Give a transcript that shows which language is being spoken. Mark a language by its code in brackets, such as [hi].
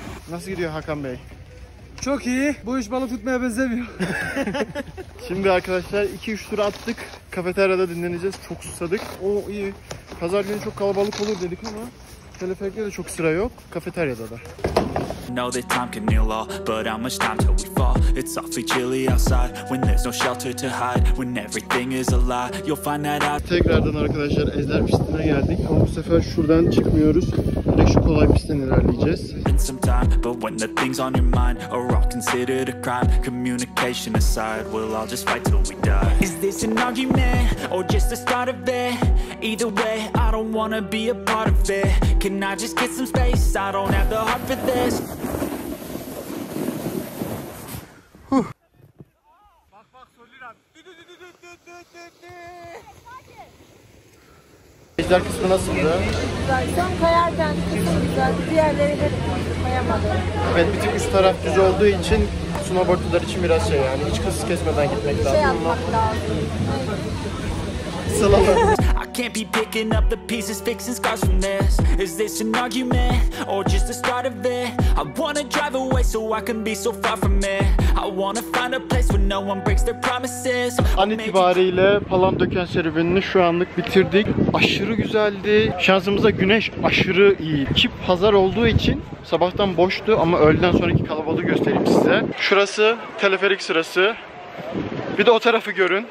[tr] Nasıl gidiyor Hakan Bey? Çok iyi. Bu iş balık tutmaya benzemiyor. Şimdi arkadaşlar 2-3 tur attık. Kafeteryada dinleneceğiz. Çok susadık. O iyi. Pazar günü çok kalabalık olur dedik ama teleferikte de çok sıra yok. Kafeteryada da. [en] Know that time can heal all, but how much time till we fall? It's awfully chilly outside, when there's no shelter to hide. When everything is a lie, you'll find that I... [tr] Tekrardan arkadaşlar ezler pistine geldik. Ama bu sefer şuradan çıkmıyoruz. Direkt şu kolay pistten ilerleyeceğiz. [en] Been some time, but when the things on your mind are all considered a crime. Communication aside, we'll all just fight till we die. Is this an argument, or just the start of it? Either way, I don't wanna be a part of it. Can I just get some space? I don't have the heart for this. [tr] Bak bak söylüyorum. Ejder kısmı nasıldı? Güzel. Sen kayarken kısım güzeldi. Diğerleri hep kayamadı. Evet, bir tık üst taraf düz olduğu için snowboardlar için biraz şey yani. Hiç kısız kesmeden gitmek lazım. Şey yapmak lazım. Sılamak. [en] Can't be picking up the pieces, fixing scars from this. Is this an argument or just the start of it? I wanna drive away so I can be so far from it. I wanna find a place where no one breaks their promises. [tr] An itibariyle Palandöken serüvenini şu anlık bitirdik. Aşırı güzeldi. Şansımıza güneş aşırı iyi. Ki pazar olduğu için sabahtan boştu ama öğleden sonraki kalabalığı göstereyim size. Şurası teleferik sırası. Bir de o tarafı görün.